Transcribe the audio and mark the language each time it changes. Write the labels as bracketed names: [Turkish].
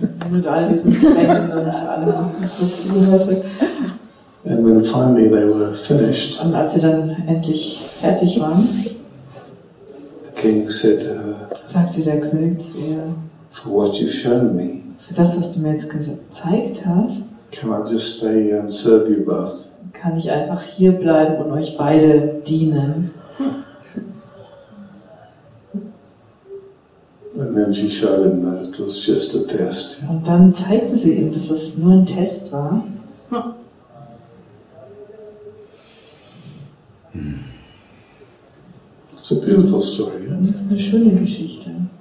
[German] Mit all diesen Klängen und allem, was dazu gehörte. [English] And when finally they were finished. [German] Und als sie dann endlich fertig waren. [English] The king said to her. [German] Sagte der König zu ihr. [English] For what you've shown me. [German] Für das, was du mir jetzt gezeigt hast, [English] can I just stay here and serve you both? [German] Kann ich einfach hier bleiben und euch beide dienen. [English] And then she showed him that it was just a test. [German] Und dann zeigte sie ihm, dass es nur ein Test war. [English] It's a beautiful story. [German] Das ist eine schöne Geschichte.